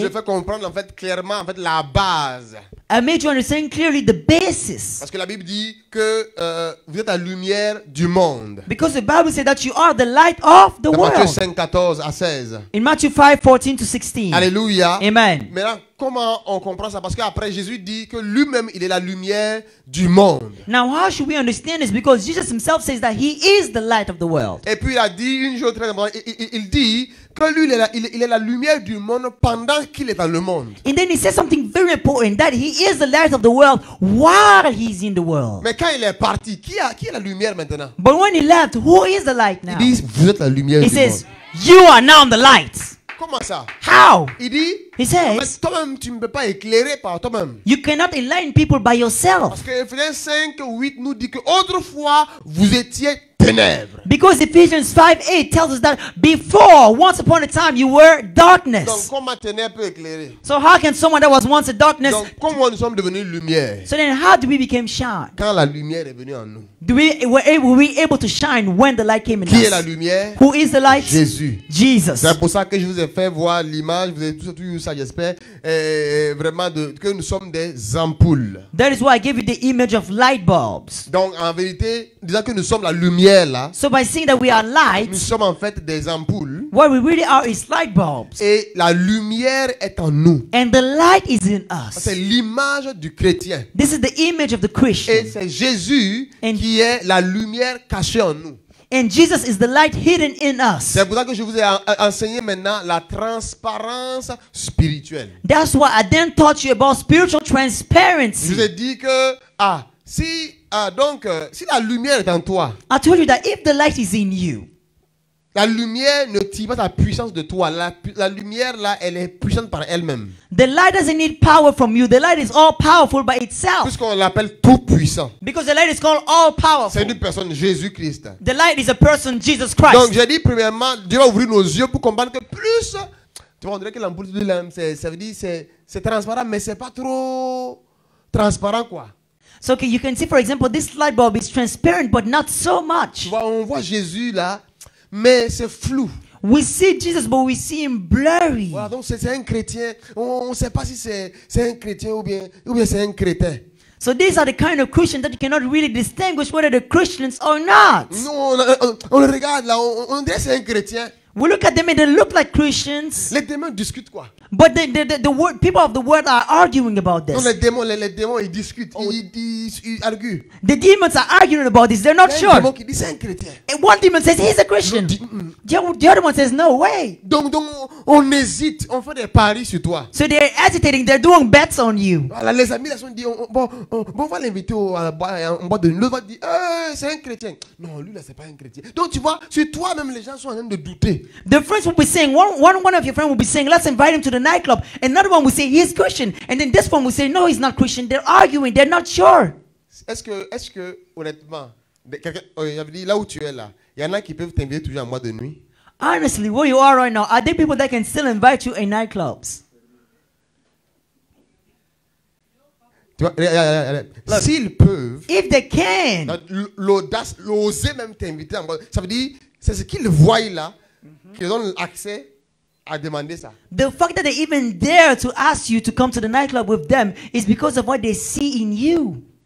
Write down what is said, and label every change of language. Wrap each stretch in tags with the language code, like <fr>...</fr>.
<fr>Je fais comprendre en fait clairement en fait la base.</fr> <en>I made you understand clearly the basis.</en> <fr>Parce que la Bible dit que vous êtes la lumière du monde.</fr> <en>Because the Bible says that you are the light of the world.</en> <fr>Matthieu 5, 14 à 16.</fr> <en>In Matthew 5, 14 to 16. Alléluia. Amen.</en> <fr>Maintenant, comment on comprend ça? Parce qu'après, Jésus dit que lui-même, il est la lumière du monde.</fr> <en>Now, how should we understand this? Because Jesus himself says that he is the light of the world.</en> <fr>Et puis, il a dit une chose très importante. Il dit que lui, il est la lumière du monde pendant qu'il est dans le monde.</fr> <en>And then he says something very important, that he is the light of the world while he's in the world.</en> <fr>Mais quand il est parti, qui est la lumière maintenant?</fr> <en>But when he left, who is the light now?</en> <fr>Il dit, vous êtes la lumière</fr> <en>he</en> <fr>du</fr> <en>says,</en> <fr>monde.</fr> <en>You are now the light.</en> <fr>Comment ça?</fr> <en>How?</en> <fr>Il dit,</fr> <en>he says,</en> <fr>mais toi-même, tu ne peux pas éclairer par toi-même.</fr> <en>You cannot enlighten people by yourself.</en> <fr>Parce que Ephésiens 5, 8 nous dit que autrefois vous étiez ténèbres.</fr> <en>Because Ephesians 5, 8 tells us that before, once upon a time, you were darkness.</en> <fr>Donc comment ténèbres peut éclairer?</fr> <en>So how can someone that was once a darkness?</en> <fr>Donc comment nous sommes devenus lumière?</fr> <en>So then how do we become shine?</en> <fr>Quand la lumière est venue en nous.</fr> <en>Were we able to shine when the light came in</en> <fr>qui</fr> <en>us?</en> <fr>Qui est la lumière?</fr> <en>Who is the light?</en> <fr>Jésus.</fr> <en>Jesus.</en> <fr>C'est pour ça que je vous ai fait voir l'image. Vous avez tout ça, j'espère. Que nous sommes des ampoules.</fr> <en>That is why I gave you the image of light bulbs.</en> <fr>Donc en vérité, disant que nous sommes la lumière là.</fr> <en>So by saying that we are light.</en> <fr>Nous sommes en fait des ampoules.</fr> <en>What we really are is light bulbs.</en> <fr>Et la lumière est en nous.</fr> <en>And the light is in us.</en> <fr>C'est l'image du chrétien.</fr> <en>This is the image of the Christian.</en> <fr>Et c'est Jésus qui est la lumière cachée en nous.</fr> <en>And Jesus is the light hidden in us.</en> <fr>C'est pour ça que je vous ai enseigné maintenant la transparence spirituelle.</fr> <en>That's why I then taught you about spiritual transparency.</en> <fr>Je vous ai dit que si la lumière est en toi.</fr> <en>I told you that if the light is in you.</en> <fr>La lumière ne tire pas sa puissance de toi. La lumière là, elle est puissante par elle-même.</fr> <en>The light doesn't need power from you. The light is all powerful by itself.</en> <fr>Puisqu'on l'appelle tout puissant.</fr> <en>Because the light is called all powerful.</en> <fr>C'est une personne, Jésus Christ.</fr> <en>The light is a person, Jesus Christ.</en> <fr>Donc j'ai dit premièrement, Dieu va ouvrir nos yeux pour comprendre que plus, tu vois, on dirait que l'ampoule de l'âme, c'est transparent, mais c'est pas trop transparent quoi.</fr> <en>So okay, you can see for example, this light bulb is transparent, but not so much.</en> <fr>Tu vois, on voit Jésus là. Mais c'est flou.</fr> <en>We see Jesus, but we see him blurry.</en> <fr>Voilà, donc c'est un chrétien. On ne sait pas si c'est un chrétien ou bien c'est un crétin.</fr> <en>So these are the kind of Christians that you cannot really distinguish whether they're Christians or not.</en> <fr>Non, on le regarde là. On dirait c'est un chrétien.</fr> <en>We look at them and they look like Christians.</en> <fr>Les démons discutent quoi?</fr> <en>But the word, people of the world are arguing about this.</en> <fr>Non, les démons ils discutent. Oh. Ils arguent.</fr> <en>The demons are arguing about this. They're not sure.</en> <fr>Un démon qui dit c'est un chrétien.</fr> <en>And one demon says he's a Christian. The other one says no way.</en> <fr>Donc on hésite. On fait des paris sur toi.</fr> <en>So they're hesitating. They're doing bets on you.</en> <fr>Voilà, les amis là sont dit bon on va l'inviter à la boîte en boîte de nuit. L'autre va dire c'est un chrétien. Non, lui là c'est pas un chrétien. Donc tu vois sur toi même les gens sont en train de douter.</fr> <en>The friends will be saying one of your friends will be saying let's invite him to the nightclub. Another one will say he's Christian, and then this one will say no, he's not Christian. They're arguing. They're not sure.</en> <fr>Est-ce que honnêtement, j'avais dit là où tu es là, y en a qui peuvent t'inviter toujours en boîte de nuit?</fr> <en>Honestly, where you are right now, are there people that can still invite you in nightclubs?</en> <fr>Tu vois, regarde. S'ils peuvent,</fr> <en>if they can,</en> <fr>l'audace, l'oser même t'inviter en boîte, ça veut dire c'est ce qu'ils voient là. Qu'ils ont accès à demander ça.</fr> <en>The fact that they even dare to ask you to come to the nightclub with them is because of what they see in you.</en>